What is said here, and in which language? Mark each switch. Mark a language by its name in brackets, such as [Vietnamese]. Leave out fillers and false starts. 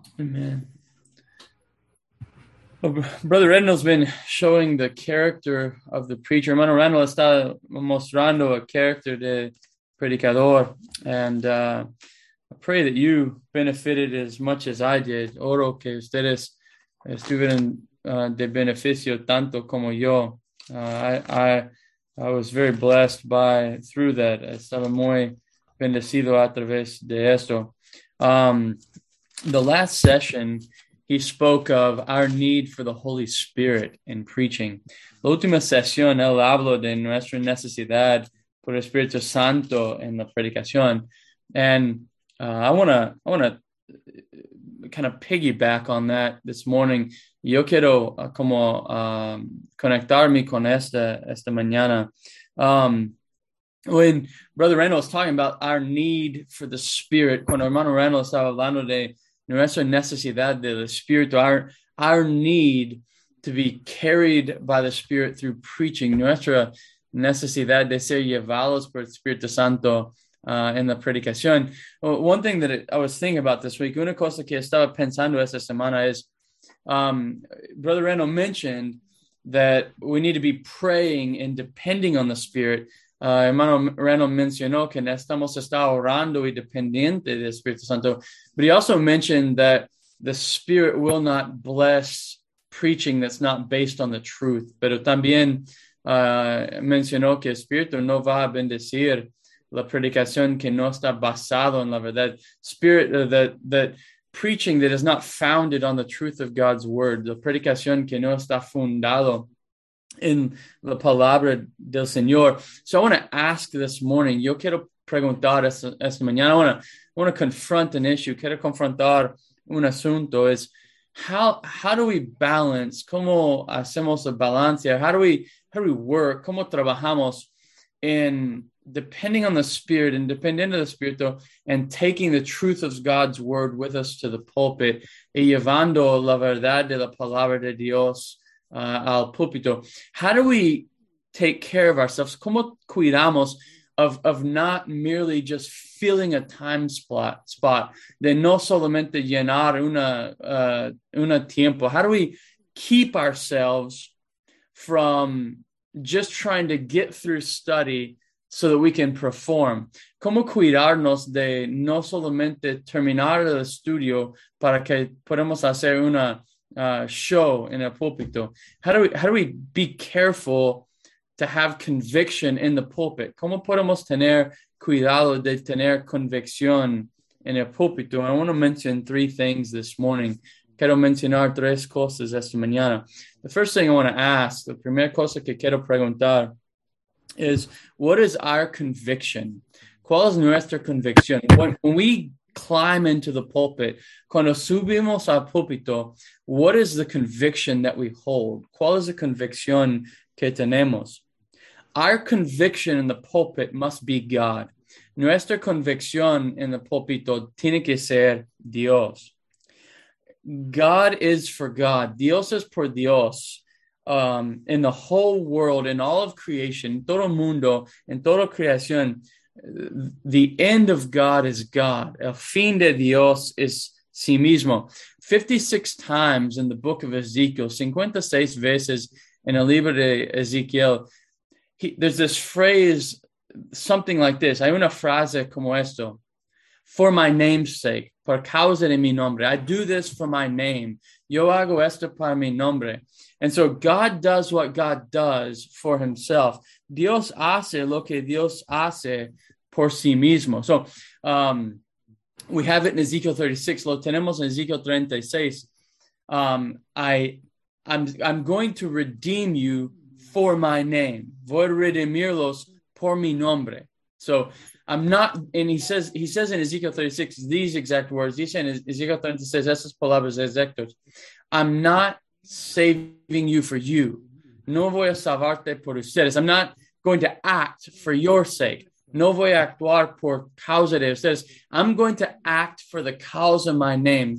[English] Amen. Well, Brother Randall's been showing the character of the preacher. [Spanish] Hermano Randall está mostrando a character de predicador. [English] And I pray that you benefited as much as I did. [Spanish] Oro que ustedes estuvieron de beneficio tanto como yo. [English] I was very blessed by through that. [Spanish] Estaba muy bendecido a través de esto. [English] The last session, he spoke of our need for the Holy Spirit in preaching. [Spanish] La última sesión, él habló de nuestra necesidad por el Espíritu Santo en la predicación. [English] And I wanna kind of piggyback on that this morning. [Spanish] Yo quiero como conectarme con esta mañana. [English] When Brother Randall was talking about our need for the Spirit, [Spanish] cuando hermano Randall estaba hablando de nuestra necesidad del Espíritu, [English] our need to be carried by the Spirit through preaching, [Spanish] nuestra necesidad de ser llevados por el Espíritu Santo en la predicación. [English] Well, one thing that I was thinking about this week, [Spanish] una cosa que estaba pensando esta semana es, [English] Brother Randall mentioned that we need to be praying and depending on the Spirit. [Spanish] Hermano Randall mencionó que necesitamos estar orando y dependiente del Espíritu Santo. [English] But he also mentioned that the Spirit will not bless preaching that's not based on the truth. [Spanish] Pero también mencionó que el Espíritu no va a bendecir la predicación que no está basado en la verdad. [English] Spirit, that preaching that is not founded on the truth of God's word, [Spanish] la predicación que no está fundado in the palabra del Señor. [English] So I want to ask this morning, [Spanish] yo quiero preguntar esta mañana, [English] I want to confront an issue, [Spanish] quiero confrontar un asunto, [English] is how do we balance, [Spanish] como hacemos el balance, [English] how do we work, [Spanish] como trabajamos [English] in depending on the Spirit and [Spanish] dependiendo del Espíritu [English] and taking the truth of God's word with us to the pulpit [Spanish] y llevando la verdad de la palabra de Dios al púlpito. [English] How do we take care of ourselves? [Spanish] ¿Cómo cuidamos [English] of not merely just filling a time spot, [Spanish] de no solamente llenar una tiempo? [English] How do we keep ourselves from just trying to get through study so that we can perform? [Spanish] ¿Cómo cuidarnos de no solamente terminar el estudio para que podamos hacer una show [English] in a pulpit? How do we be careful to have conviction in the pulpit? [Spanish] ¿Cómo podemos tener cuidado de tener convicción en el púlpito? [English] I want to mention three things this morning. [Spanish] Quiero mencionar tres cosas esta mañana. [English] The first thing I want to ask, the [Spanish] primera cosa que quiero preguntar, [English] is what is our conviction? [Spanish] ¿Cuál es nuestra convicción? [English] When we climb into the pulpit, [Spanish] cuando subimos al púlpito, [English] what is the conviction that we hold? [Spanish] ¿Cuál es la convicción que tenemos? [English] Our conviction in the pulpit must be God. [Spanish] Nuestra convicción en el púlpito tiene que ser Dios. [English] God is for God. [Spanish] Dios es por Dios. [English] In the whole world, in all of creation, [Spanish] todo mundo, en toda creación, [English] the end of God is God. [Spanish] El fin de Dios es sí mismo. [English] 56 times in the book of Ezekiel, [Spanish] 56 veces en el libro de Ezekiel, [English] there's this phrase, something like this. [Spanish] Hay una frase como esto. [English] For my name's sake, [Spanish] por causa de mi nombre. [English] I do this for my name. [Spanish] Yo hago esto para mi nombre. [English] And so God does what God does for himself. [Spanish] Dios hace lo que Dios hace por sí mismo. [English] So we have it in Ezekiel 36. [Spanish] Lo tenemos en Ezekiel 36. [English] I'm going to redeem you for my name. [Spanish] Voy a redimirlos por mi nombre. [English] So I'm not, and he says in Ezekiel 36, these exact words, he's saying in Ezekiel 36, [Spanish] esas palabras exactas, [English] I'm not saving you for you. [Spanish] No voy a salvarte por ustedes. [English] I'm not going to act for your sake. [Spanish] No voy a actuar por causa de ustedes. [English] I'm going to act for the cause of my name.